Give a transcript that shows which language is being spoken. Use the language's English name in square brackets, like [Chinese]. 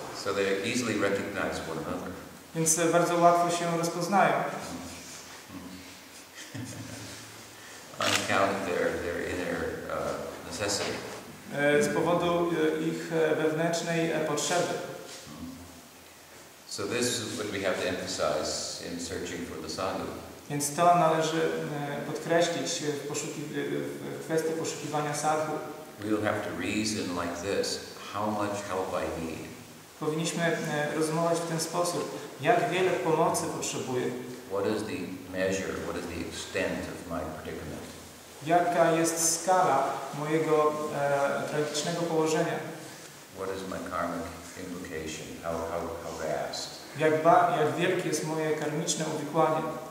[English] So they easily recognize one another. [Polish] Więc bardzo łatwo się rozpoznają. [English] On account of their inner necessity. [Polish] Z powodu ich wewnętrznej potrzeby. [English] So this is what we have to emphasize in searching for the sadhu. [Polish] Więc to należy podkreślić w kwestii poszukiwania sadhu. [English] We will have to reason like this. How much help I need. [Polish] Powinniśmy rozmawiać w ten sposób. Jak wiele pomocy potrzebuję. [English] What is the measure? What is the extent of my predicament? [Polish] Jaka jest skala mojego tragicznego położenia? [English] What is my karmic implication? How vast? [Polish] Jak wielkie jest moje karmiczne uwikłanie?